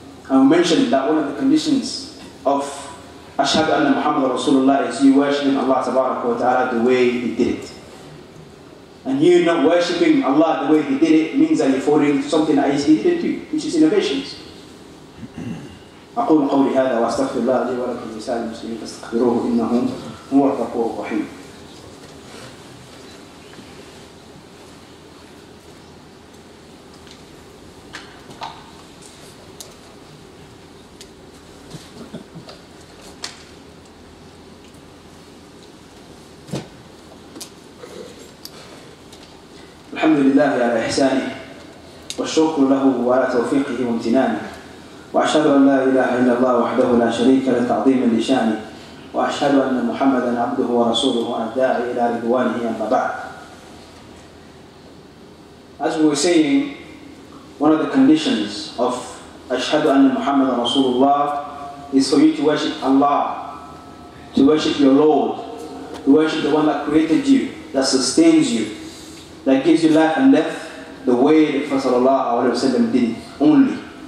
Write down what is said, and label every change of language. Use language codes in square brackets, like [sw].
[en] And we mentioned that one of the conditions of [ar] ashhadu anna Muhammad Rasulullah [en] is you worshiping Allah tabaraka wa ta'ala the way he did it. And you not worshiping Allah the way he did it means that you're following something that he didn't do, which is innovations. [ar] أقول قولي هذا واستغفر الله لي ولكم لسائر المسلمين فاستغفروه إنه هو الغفور الرحيم. الحمد لله على إحسانه والشكر له وعلى توفيقه وامتنانه. وأشهد أن لا إله إلا الله وحده لا شريك له تعظيما لشأنه وأشهد أن محمدا عبده ورسوله الداعي إلى رضوانه أما بعد. [en] As we were saying, one of the conditions of [ar] أشهد أن محمدا رسول الله [en] is for you to worship Allah, to worship your Lord, to worship the one that created you, that sustains you, that gives you life and death the way the Prophet sallallahu alaihi wasallam did only.